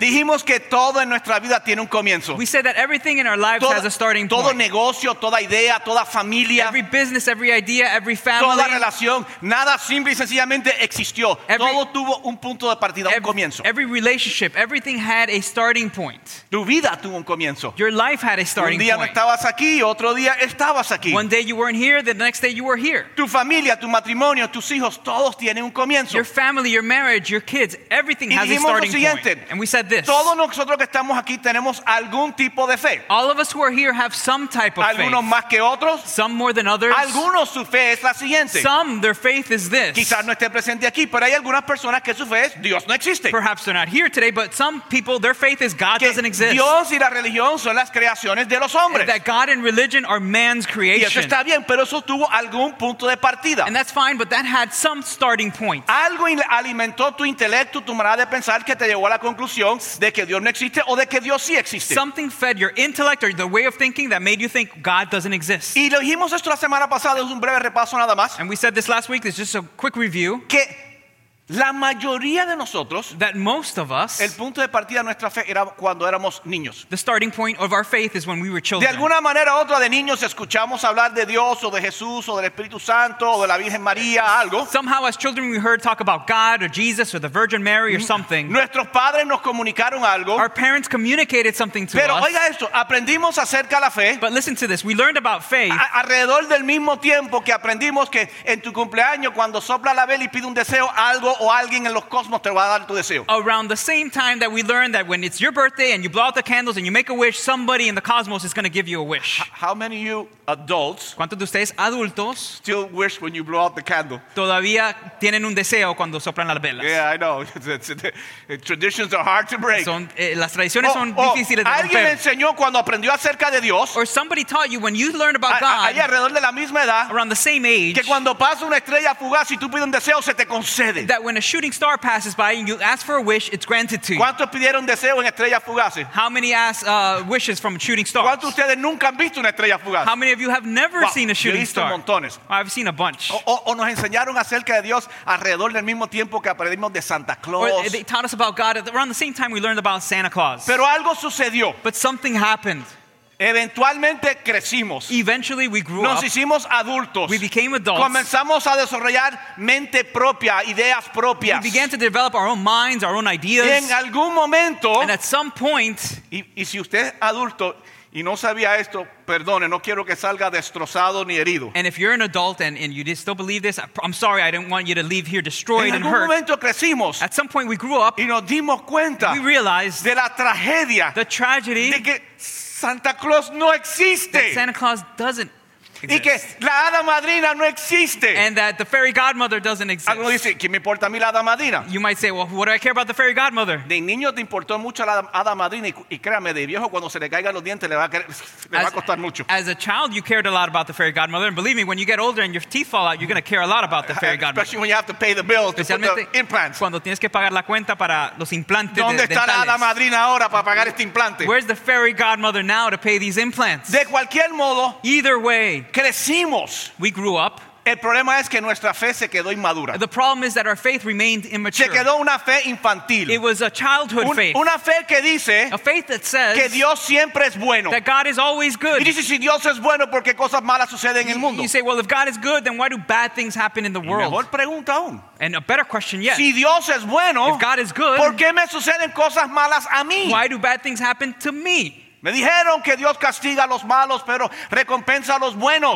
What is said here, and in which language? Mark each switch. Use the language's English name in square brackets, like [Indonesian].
[Spanish] Dijimos que todo en nuestra vida tiene un comienzo. [English] We said that everything in our lives has a starting point. [Spanish] Todo negocio, toda idea, toda familia. [English] Every business, every idea, every family. [Spanish] Toda relación, nada simple y sencillamente existió. Todo tuvo un punto de partida, un comienzo. [English] Every relationship, everything had a starting point. [Spanish] Tu vida tuvo un comienzo. [English] Your life had a starting point. [Spanish] Un día no estabas aquí, otro día estabas aquí. [English] One day you weren't here, the next day you were here. [Spanish] Tu familia, tu matrimonio, tus hijos, todos tienen un comienzo. [English] Your family, your marriage, your kids, everything has a starting point. And we said this. [Spanish] Todos nosotros que estamos aquí tenemos algún tipo de fe. [English] All of us who are here have some type of faith. [Spanish] Algunos más que otros. [English] Some more than others. [Spanish] Algunos su fe es la siguiente. [English] Some, their faith is this. [Spanish] Quizás no esté presente aquí, pero hay algunas personas que su fe es Dios no existe. [English] Perhaps they're not here today, but some people, their faith is God doesn't exist. [Spanish] Dios y la religión son las creaciones de los hombres. [English] That God and religion are man's creation. [Spanish] Y eso está bien, pero eso tuvo algún punto de partida. [English] And that's fine, but that had some starting point. [Spanish] Algo alimentó tu intelecto, tu manera de pensar, que te llevó a la conclusión de que Dios no existe o de que Dios sí existe. [English] Something fed your intellect or the way of thinking that made you think God doesn't exist. [Spanish] Y lo dijimos esto la semana pasada, es un breve repaso nada más. [English] And we said this last week, it's just a quick review. [Spanish] Que la mayoría de nosotros, [English] that most of us, [Spanish] el punto de partida de nuestra fe era cuando éramos niños. [English] The starting point of our faith is when we were children. [Spanish] De alguna manera u otra, de niños escuchamos hablar de Dios o de Jesús o del Espíritu Santo o de la Virgen María, algo. [English] Somehow as children we heard talk about God or Jesus or the Virgin Mary or something. [Spanish] Nuestros padres nos comunicaron algo. [English] Our parents communicated something to [Spanish] pero [English] us. [Spanish] Pero oiga esto, aprendimos acerca de la fe. [English] But listen to this, we learned about faith. [Spanish] Alrededor del mismo tiempo que aprendimos que en tu cumpleaños cuando sopla la vela y pide un deseo, algo o alguien en los cosmos te va a dar tu deseo. [English] Around the same time that we learn that when it's your birthday and you blow out the candles and you make a wish, somebody in the cosmos is going to give you a wish. How many of you adults? [Spanish] ¿Cuántos de ustedes adultos [English] still wish when you blow out the candle? [Spanish] Todavía tienen un deseo cuando soplan las velas. [English] Yeah, I know. Traditions are hard to break. [Spanish] Las tradiciones son difíciles de romper. Alguien enseñó cuando aprendió acerca de Dios. [English] Or somebody taught you when you learned about God. [Spanish] Ahí alrededor de la misma edad. [English] Around the same age. [Spanish] Que cuando pasa una estrella fugaz y tú pides un deseo, se te concede. [English] That when a shooting star passes by and you ask for a wish, it's granted to you. [Spanish] ¿Cuántos pidieron deseo en estrellas fugaces? [English] How many asked wishes from shooting stars? [Spanish] ¿Cuántos de ustedes nunca han visto una estrella fugaz? [English] How many of you have never seen a shooting star? [Spanish] Montones. [English] I've seen a bunch. [Spanish] O nos enseñaron acerca de Dios alrededor del mismo tiempo que aprendimos de Santa Claus. [English] Or they taught us about God around the same time we learned about Santa Claus. [Spanish] Pero algo sucedió. [English] But something happened. [Spanish] Eventualmente crecimos. [English] Eventually we grew [Spanish] Nos [English] up. [Spanish] Hicimos adultos. [English] We became adults. [Spanish] Comenzamos a desarrollar mente propia, ideas propias. [English] We began to develop our own minds, our own ideas. [Spanish] Y en algún momento, [English] and at some point, [Spanish] y si usted es adulto y no sabía esto, perdone, no quiero que salga destrozado ni herido. [English] And if you're an adult and you still believe this, I'm sorry, I didn't want you to leave here destroyed and hurt. [Spanish] En algún momento crecimos. [English] At some point we grew up. [Spanish] Y nos dimos cuenta. [English] We realized [Spanish] de la tragedia. [English] The tragedy. [Spanish] De que Santa Claus no existe. [English] That Santa Claus doesn't exist. [Spanish] Y que la hada madrina no existe. [English] And that the fairy godmother doesn't exist. [Spanish] Algunos dicen, ¿qué me importa a mí la hada madrina? [English] You might say, well, what do I care about the fairy godmother? [Spanish] De niño te importó mucho la hada madrina y créame, de viejo cuando se le caigan los dientes le va a costar mucho. [English] As a child, you cared a lot about the fairy godmother, and believe me, when you get older and your teeth fall out, you're going to care a lot about the fairy godmother. Especially when you have to pay the bills to put the implants. [Spanish] Cuando tienes que pagar la cuenta para los implantes. ¿Dónde está la hada madrina ahora para pagar este implante? [English] Where's the fairy godmother now to pay these implants? [Spanish] De cualquier modo. [English] Either way. [Spanish] Crecimos. [English] We grew up. [Spanish] El problema es que nuestra fe se quedó inmadura. [English] The problem is that our faith remained immature. [Spanish] Se quedó una fe infantil. [English] It was a childhood faith. [Spanish] Una fe que dice, [English] a faith that says, [Spanish] que Dios siempre es bueno. [English] That God is always good. [Spanish] Y dice, si Dios es bueno, ¿por qué cosas malas suceden en el mundo? [English] You say, well, if God is good, then why do bad things happen in the world? [Spanish] Y mejor pregunta aún. [English] And a better question yet. [Spanish] Si Dios es bueno, [English] if God is good, [Spanish] ¿por qué me suceden cosas malas a mí? [English] Why do bad things happen to me? [Spanish] Me dijeron que Dios castiga a los malos, pero recompensa a los buenos.